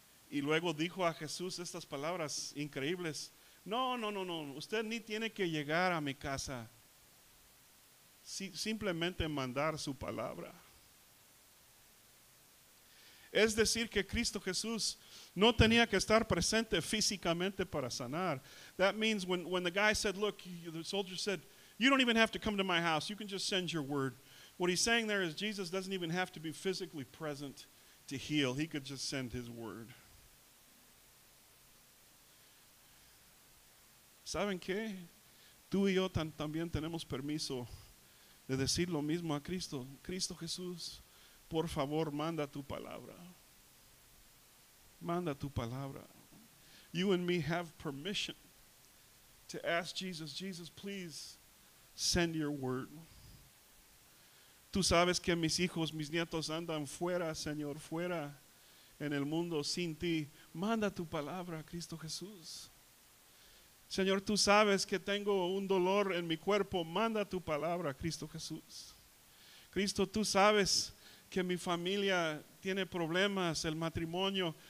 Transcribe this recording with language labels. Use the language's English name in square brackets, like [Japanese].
[Spanish] Y luego dijo a Jesús estas palabras increíbles. No. Usted ni tiene que llegar a mi casa. Simplemente mandar su palabra. Es decir, que Cristo Jesús no tenía que estar presente físicamente para sanar. [English] That means when the guy said, "Look," the soldier said, "you don't even have to come to my house. You can just send your word." What he's saying there is Jesus doesn't even have to be physically present to heal. He could just send his word. [Spanish] ¿Saben qué? Tú y yo también tenemos permiso de decir lo mismo a Cristo. "Cristo Jesús, por favor, manda tu palabra. Manda tu palabra." [English] You and me have permission to ask Jesus, "Jesus, please send your word." [Spanish] Tú sabes que mis hijos, mis nietos andan fuera, Señor, fuera en el mundo sin ti. Manda tu palabra, Cristo Jesús. Señor, tú sabes que tengo un dolor en mi cuerpo. Manda tu palabra, Cristo Jesús. Cristo, tú sabes que mi familia tiene problemas, el matrimonio.